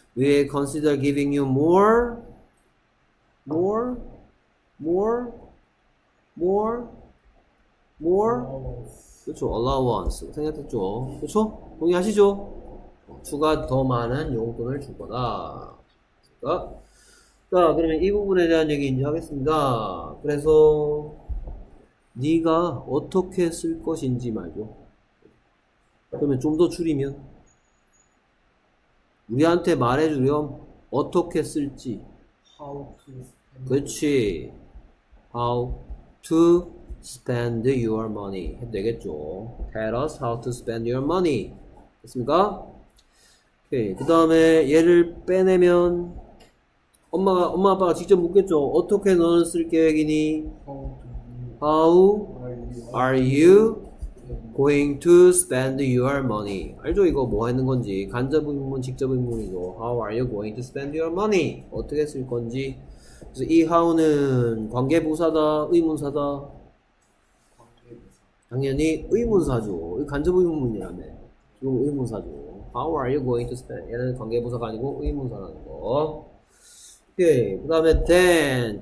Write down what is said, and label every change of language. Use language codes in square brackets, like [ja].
[en] We consider giving you more, more, more, more, more. [ko] 그렇죠. Allowance 생략했죠. 그렇죠? 동의하시죠? 추가 더 많은 용돈을 줄 거다. 자, 자 그러면 이 부분에 대한 얘기 이제 하겠습니다. 그래서 네가 어떻게 쓸 것인지 말죠. 그러면 좀 더 줄이면 우리한테 말해주렴 어떻게 쓸지. [en] How to spend. [ko] 그렇지. [en] How to spend your money [ko] 해도 되겠죠. [en] Tell us how to spend your money. [ko] 됐습니까? 오케이. 그 다음에 얘를 빼내면 엄마 아빠가 직접 묻겠죠. 어떻게 너는 쓸 계획이니? [en] How are you going to spend your money? [ko] 알죠? 이거 뭐 하는 건지. 간접 의문, 직접 의문이죠. [en] How are you going to spend your money? [ko] 어떻게 쓸 건지. 그래서 이 how는 관계부사다, 의문사다? 당연히 의문사죠. 간접 의문이라며. 지금 의문사죠. [en] How are you going to spend? [ko] 얘는 관계부사가 아니고 의문사라는 거. 오케이. 그 다음에 then.